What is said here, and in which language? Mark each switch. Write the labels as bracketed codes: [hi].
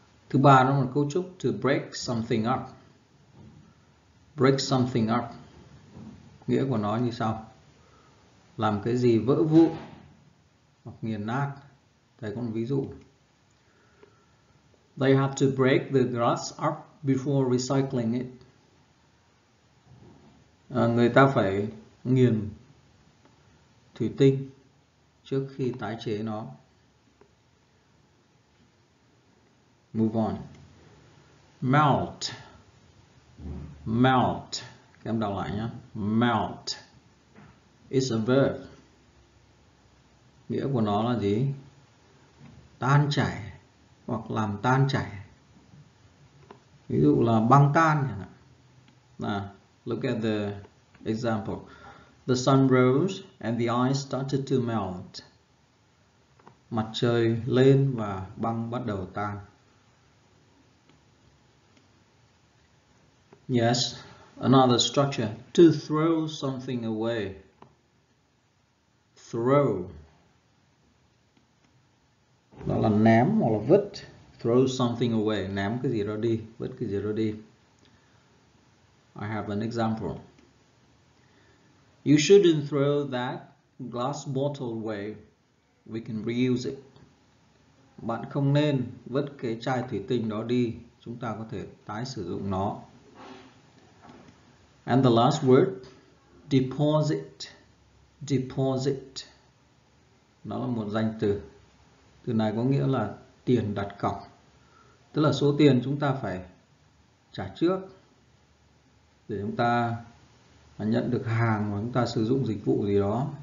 [vi] Thứ ba nó là cấu trúc [en] to break something up. Break something up. [vi] Nghĩa của nó như sau. Làm cái gì vỡ vụn hoặc nghiền nát. Thầy có một ví dụ. [en] They have to break the glass up before recycling it. [vi] Người ta phải nghiền thủy tinh trước khi tái chế nó. [en] Move on. [vi] Melt. Các em đọc lại nhé. [en] Melt is a verb. [vi] Nghĩa của nó là gì? Tan chảy hoặc làm tan chảy. Ví dụ là băng tan. Nào, [en] look at the example. The sun rose and the ice started to melt. [vi] Mặt trời lên và băng bắt đầu tan. [en] Yes, another structure, to throw something away, [vi] throw, đó là ném hoặc là vứt, [en] throw something away, [vi] ném cái gì đó đi, vứt cái gì đó đi. [en] I have an example, you shouldn't throw that glass bottle away, we can reuse it. [vi] Bạn không nên vứt cái chai thủy tinh đó đi, chúng ta có thể tái sử dụng nó. [en] And the last word, deposit. [vi] Nó là một danh từ. Từ này có nghĩa là tiền đặt cọc. Tức là số tiền chúng ta phải trả trước để chúng ta nhận được hàng và chúng ta sử dụng dịch vụ gì đó.